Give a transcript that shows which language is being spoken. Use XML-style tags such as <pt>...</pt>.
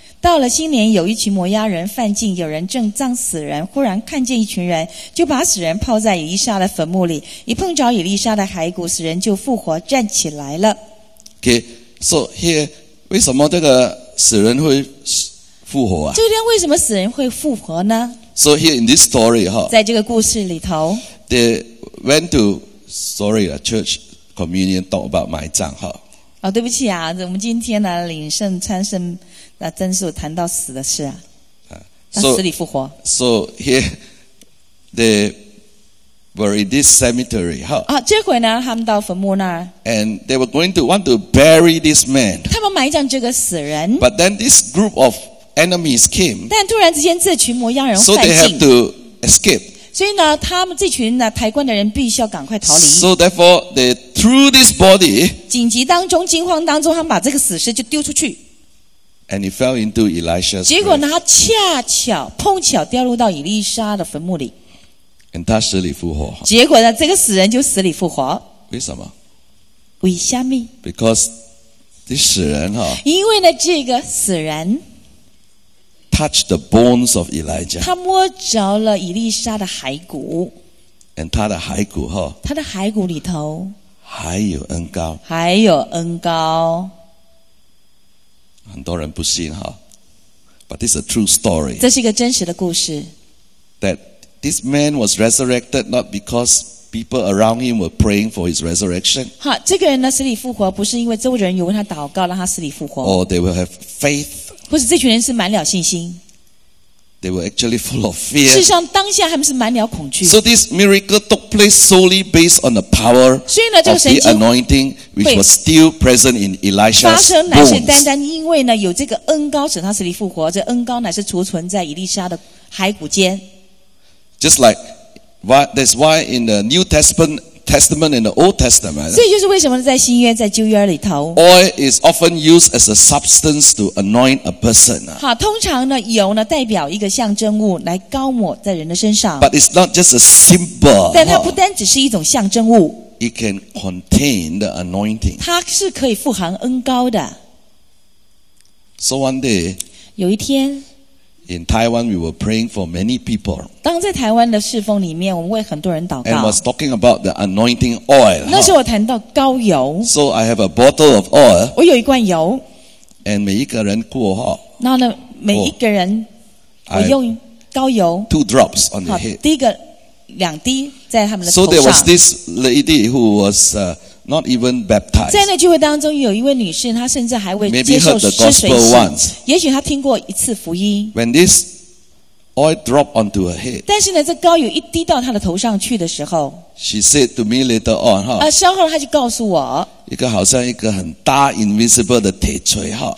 <zh>到了新年，有一群摩押人犯禁，有人正葬死人，忽然看见一群人，就把死人泡在以利沙的坟墓里，一碰着以利沙的骸骨，死人就复活站起来了。</zh> <en>Okay, so here,</en> <zh>为什么这个死人会复活啊？这边为什么死人会复活呢？</zh> <en>So here in this story,</en> <zh>在这个故事里头，</zh> <en>they went to, sorry, a church communion talk about</en> <zh>埋葬。哦，对不起啊，我们今天呢领圣餐圣那真是谈到死的事啊，啊，</zh> <en>so,</en> <zh>死里复活。</zh> <en>So here they were in this cemetery.</en> <zh>好啊，这回呢，他们到坟墓那儿。</zh> <en>And they were going to want to bury this man.</en> <zh>他们埋葬这个死人。</zh> <en>But then this group of enemies came.</en> <zh>但突然之间，这群摩押人犯境。</zh> <en>So they have to escape.</en> <zh>所以呢，他们这群呢抬棺的人必须要赶快逃离。</zh> <en>So therefore, they threw this body.</en> <zh>紧急当中，惊慌当中，他们把这个死尸就丢出去。</zh> <en>And he fell into Elisha's.</en> <zh>结果呢，他恰巧碰巧掉入到以利沙的坟墓里。</zh> <en>And</en> <zh>他死里复活。结果呢，这个死人就死里复活。为什么？为什么</zh> <en>？Because this</en> <zh>死人哈。因为呢，这个死人。</zh> <en>Touch the bones of Elijah.</en> <zh>他摸着了以利沙的骸骨。</zh> <en>And</en> <zh>他的骸骨哈。他的骸骨里头。还有恩膏。还有恩膏。很多人不信哈。</zh> <en>But this is a true story.</en> <zh>这是一个真实的故事。</zh> <en>That this man was resurrected not because people around him were praying for his resurrection.</en> <zh>哈，这个人呢死里复活，不是因为周围人有为他祷告让他死里复活。</zh> <en>Or they will have faith.</en> <zh>或是这群人是满了信心。</zh> <en>They were actually full of fear.</en> <zh>事实上，当下他们是满了恐惧。</zh> <en>So this miracle took place solely based on the power of the anointing, which was still present in Elisha's bones.</en> <zh>发生乃是单单因为呢有这个恩膏使他死里复活，这恩膏乃是储存在以利沙的骸骨间。</zh> <en>Just like why, that's why in the New Testament. Testament in the Old Testament.</en> <zh>所以就是为什么在新约在旧约里头</zh> <en>Oil is often used as a substance to anoint a person.</en> <zh>好，通常呢油呢代表一个象征物来膏抹在人的身上。</zh> <en>But it's not just a symbol.</en> <zh>但它不单只是一种象征物。</zh> <en>It can contain the anointing.</en> <zh>它是可以富含恩膏的。</zh> <en>So one day.</en> <zh>有一天。</zh> <en>In Taiwan, we were praying for many people.</en> <zh>当在台湾的侍奉里面，我们为很多人祷告。</zh> <en>And was talking about the anointing oil.</en> <zh>那时候我谈到膏油。</zh> <en>So I have a bottle of oil.</en> <zh>我有一罐油。</zh> <en>And</en> <zh>每一个人过哈。那呢，每一个人，我用膏油。</zh> <en>Two drops on the head.</en> <zh>第一个两滴在他们的头上。</zh> <en>So there was this lady who was not even baptized.</en> <zh>在那聚会当中，有一位女士，她甚至还未接受施水。</zh> <en>Maybe heard the gospel once.</en> <zh>也许她听过一次福音。</zh> <en>When this oil dropped onto her head.</en> <zh>但是呢，这膏油一滴到她的头上去的时候</zh> <en>，She said to me later on,</en> <zh>哈。稍后她就告诉我，一个好像一个很大</zh> <en>invisible</en> <zh>的铁锤，哈。</zh>